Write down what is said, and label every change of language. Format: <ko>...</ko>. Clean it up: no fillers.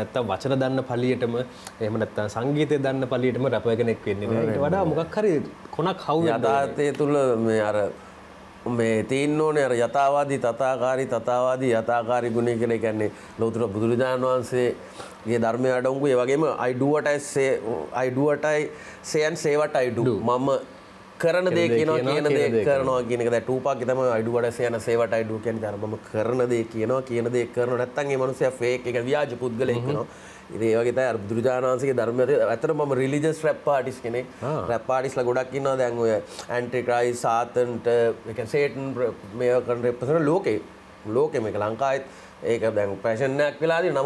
<si>නැත්තම් වචන දන්න පළියටම එහෙම නැත්තම් සංගීතය දන්න පළියටම රැපර් කෙනෙක් වෙන්නේ නැහැ. ඊට වඩා මොකක් හරි කොනක් හවු වෙනවා. යථාර්ථය තුල මේ අර මේ තියෙන ඕනේ අර යථාවාදී තථාකාරී තථාවාදී යථාකාරී ගුණය කියන එක කියන්නේ ලෞතර බුදුරජාණන් වහන්සේගේ ධර්මයේ අඩංගු. ඒ වගේම</si> <en>I do what I say, I do what I say and say what I do.</en> <si>මම කරන දේ කියනවා කියන දේ කරනවා කියන එක. දැන් ටූපක් තමයි</si> <en>I do what I say and say what I do</en> <si>කියන්නේ. මම කරන දේ කියනවා කියන දේ කරනවා. නැත්තම් මේ මිනිස්සයා ෆේක් එක ව්‍යාජ පුද්ගලෙක් කරනවා. ඉතින් ඒ වගේ තමයි අර බුදුරජාණන් වහන්සේගේ ධර්මය. ඇත්තට මම රිලිජස් රැප් ආටිස් කෙනෙක්. රැප් ආටිස්ලා ගොඩක් ඉන්නවා දැන් ඔය ඇන්ටි ක්‍රයිස් සාතන්ට සේටන් මේ කරන රෙප්‍රසන්ට් ලෝකෙ මේක ලංකාවෙත් ඒක දැන් පැෂන් එකක් වෙලා තියෙනවා.</si>